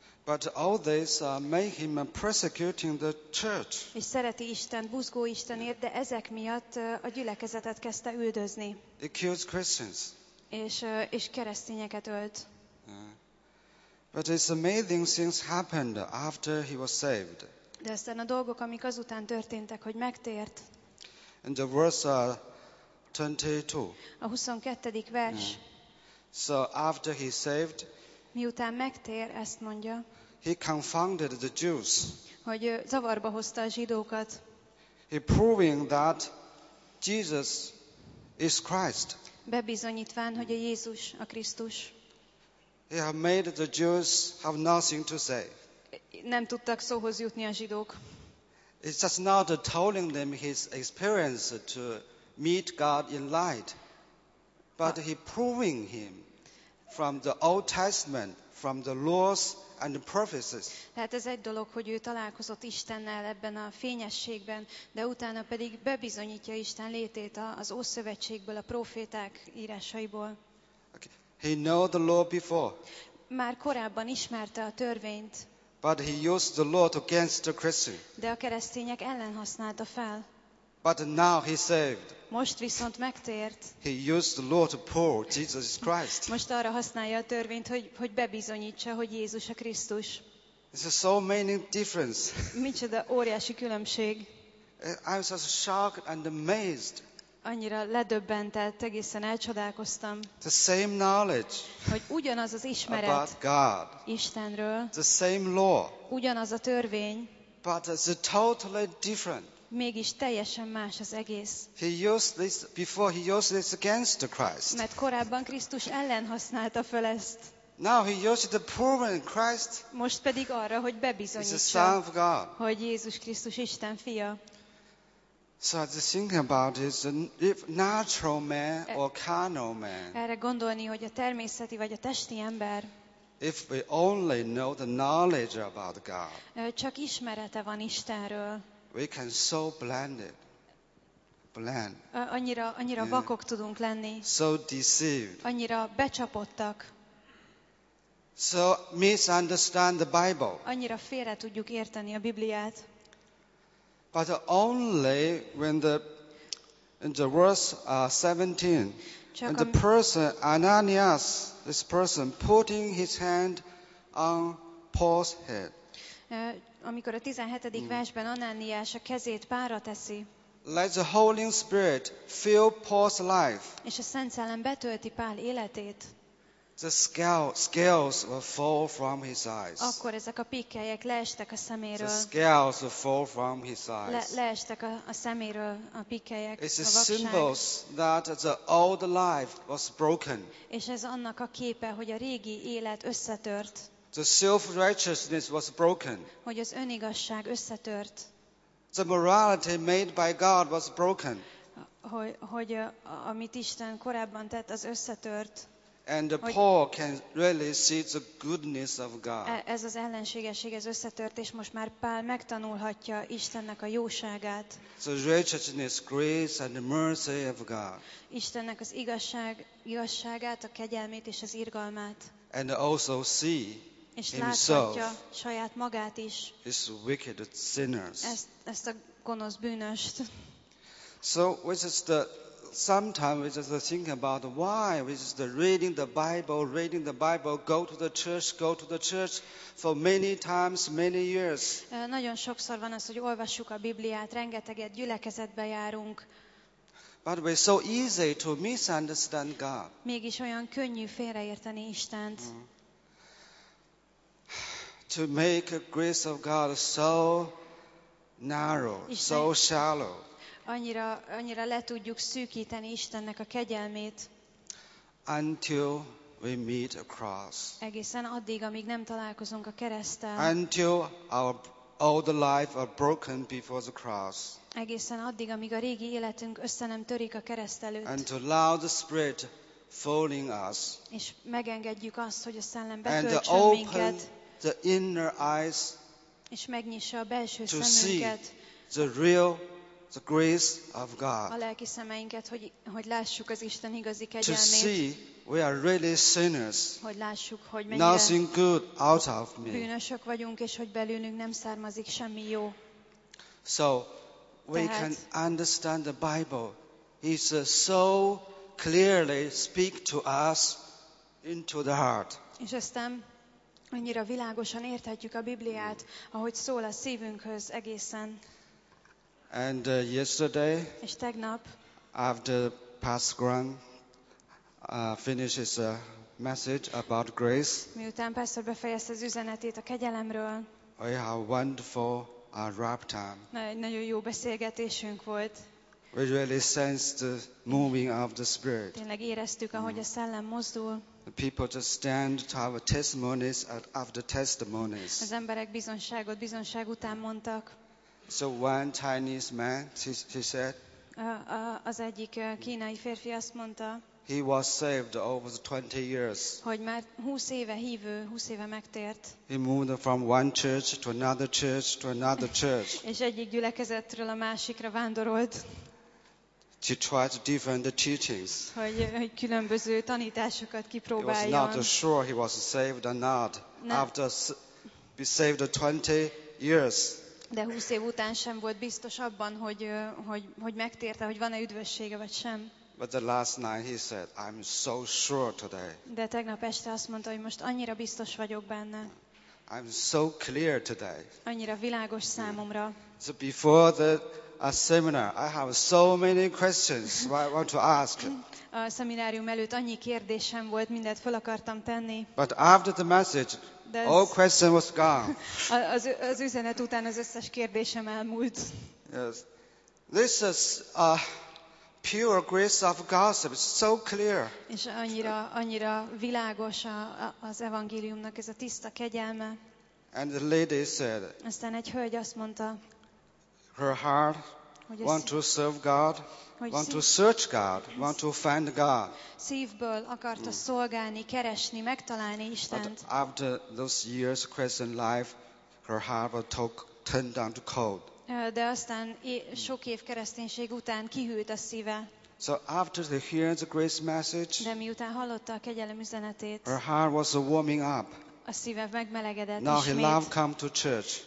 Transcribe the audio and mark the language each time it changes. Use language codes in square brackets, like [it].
[en] But all this make him persecuting the church. [hu] És szereti Isten, buzgó Istenért, de ezek miatt a gyülekezetet kezdte üldözni. [en] He kills Christians. [hu] És keresztényeket ölt. [en] But it's amazing things happened after he was saved. [hu] De aztán a dolgok, amik azután történtek, hogy megtért. [en] And the verse 22. [hu] A 22. vers. [en] So after he saved, [hu] miután megtér, ezt mondja. [en] He confounded the Jews. [hu] Hogy zavarba hozta a zsidókat. [en] He proving that Jesus is Christ. [hu] Bebizonyítván, hogy a Jézus a Krisztus. [en] He have made the Jews have nothing to say. [hu] Nem tudtak szóhoz jutni a zsidók. [en] It's just not telling them his experience to meet God in light, but he proving him from the Old Testament, from the laws and the prophecies. [hu] Tehát ez egy dolog, hogy ő találkozott Istennel ebben a fényességben, de utána pedig bebizonyítja Isten létét az Ószövetségből, a proféták írásaiból. [en] Okay. He know the law before. [hu] Már korábban ismerte a törvényt. [en] But he used the law against the Christian. [hu] De a keresztények ellen használta fel. [en] But now he saved. [hu] Most viszont megtért. [en] He used the law to prove Jesus is Christ. [hu] Most arra használja a törvényt, hogy bebizonyítsa, hogy Jézus a Krisztus. [en] It's a so many difference. [hu] Micsoda óriási különbség. [en] I'm so shocked and amazed. [hu] Annyira ledöbbentett, egészen elcsodálkoztam. [en] The same knowledge. [hu] Hogy ugyanaz az ismeret [en] about God. [hu] Istenről. [en] The same law. [hu] Ugyanaz a törvény. [en] But it's totally different. [hu] Mégis teljesen más az egész. [en] He used this before, he used this against the Christ. [hu] Mert korábban Krisztus ellen használta fel ezt. [en] Now he used it to prove in Christ. [hu] Most pedig arra, hogy bebizonyítsa, [en] is the Son of God. [hu] Hogy Jézus Krisztus Isten fia. [en] So I was thinking about is if natural man or carnal man. [hu] Erre gondolni, hogy a természeti vagy a testi ember. [en] If we only know the knowledge about God. [hu] Csak ismerete van Istenről. [en] We can so blinded. Blind. [hu] Annyira vakok tudunk lenni. [en] So deceived. [hu] Annyira becsapottak. [en] So misunderstand the Bible. [hu] Annyira félre tudjuk érteni a Bibliát. [en] But only when in the verse 17, and the person Ananias, this person putting his hand on Paul's head. [hu] Amikor a 17. versben Ananias a kezét párra teszi. [en] Let the Holy Spirit fill Paul's life. [hu] És a Szent Szellem betölti Pál életét. [en] The scales will fall from his eyes. [hu] Akkor ezek a pikkelyek leestek a szeméről. [en] The scales will fall from his eyes. [hu] Leestek a szeméről a pikkelyek. [en] It's a symbol that the old life was broken. [hu] És ez annak a képe, hogy a régi élet összetört. [en] The self-righteousness was broken. [hu] Hogy az önigazság összetört. [en] The morality made by God was broken. [hu] Hogy amit Isten korábban tett, az összetört. [en] And Paul can really see the goodness of God. [hu] Ez az ellenségesség, ez összetört, és most már Pál megtanulhatja Istennek a jóságát. [en] The righteousness, grace and mercy of God. [hu] Istennek az igazságát, a kegyelmét és az irgalmát. [en] And also see [hu] és láthatja saját magát is. [en] This wicked sinners. [hu] Ezt a gonosz bűnöst. [en] So which is the sometimes we just think about why we just reading the Bible, go to the church for many times, many years. [hu] Nagyon sokszor van az, hogy olvassuk a Bibliát, rengeteget gyülekezetbe járunk. [en] But we're so easy to misunderstand God. [hu] Mégis olyan könnyű félreérteni Istent. [en] To make the grace of God so narrow, Isten. So shallow. [hu] Annyira le tudjuk szűkíteni Istennek a kegyelmét. [en] Until we meet a cross. [hu] Egészen addig, amíg nem találkozunk a kereszttel. [en] Until our old life are broken before the cross. [hu] Egészen addig, amíg a régi életünk össze nem törik a kereszt előtt. [en] And to allow the Spirit falling us. [hu] És megengedjük azt, hogy a Szellem betöltsön minket. [en] And open the inner eyes. [hu] És megnyissa a belső [en] to [hu] szemünket. [en] See the real the grace of God. [hu] A lelki szemeinket, hogy lássuk az Isten igazi kegyelmét. [en] To see we are really sinners. [hu] Hogy lássuk, hogy mennyire [en] nothing good out of me. [hu] Bűnösök vagyunk, és hogy belülünk nem származik semmi jó. [en] So we [hu] tehát [en] can understand the Bible. It's so clearly speak to us into the heart. [hu] És aztán annyira világosan érthetjük a Bibliát, ahogy szól a szívünkhöz egészen. [en] And yesterday, [hu] és tegnap, [en] after Pastor Graham finishes a message about grace, [hu] miután Pastor befejezte az üzenetét a kegyelemről, [en] we have wonderful rap time. [hu] Nagyon jó beszélgetésünk volt. [en] We really sensed the moving of the Spirit. [hu] Tényleg éreztük, ahogy a Szellem mozdul. [en] The people just stand to have testimonies after testimonies. [hu] Az emberek bizonságot bizonság után mondtak. [en] So one Chinese man, he said. [hu] Az egyik kínai férfi azt mondta. [en] He was saved over 20 years. [hu] Hogy már 20 éve hívő, 20 éve megtért. [en] He moved from one church to another church to another church. [hu] És egyik gyülekezetről a másikra vándorolt. [en] To try to defend the teachings. [hu] Hogy különböző tanításokat kipróbáljon. [en] He was not sure he was saved or not after be saved 20 years. [hu] De 20 év után sem volt biztos abban, hogy megtérte, hogy van-e üdvössége vagy sem. [en] But the last night he said, I'm so sure today. [hu] De tegnap este azt mondta, hogy most annyira biztos vagyok benne. [en] I'm so clear today. [hu] Annyira világos számomra. [en] So before the seminar, I have so many questions I want to ask. [hu] A szeminárium előtt annyi kérdésem volt, mindent fel akartam tenni. [en] But after the message, all question was gone. [hu] Az üzenet után az összes kérdésem elmúlt. [en] Yes. This is a pure grace of gossip. It's so clear. [hu] És annyira világos az evangéliumnak ez a tiszta kegyelme. [en] And the lady said, [hu] aztán egy hölgy azt mondta, [en] her heart want to serve God, want to search God, want to find God. [hu] Szívből akarta szolgálni, keresni, megtalálni Istent. [en] But after those years of Christian life, her heart was turned down to cold. [hu] De aztán sok év kereszténység után kihűlt a szíve. [en] So after they hear the grace message, [hu] de miután hallotta a kegyelem üzenetét, [en] her heart was warming up. [hu] A szíve megmelegedett ismét. [en] Now he loved come to church.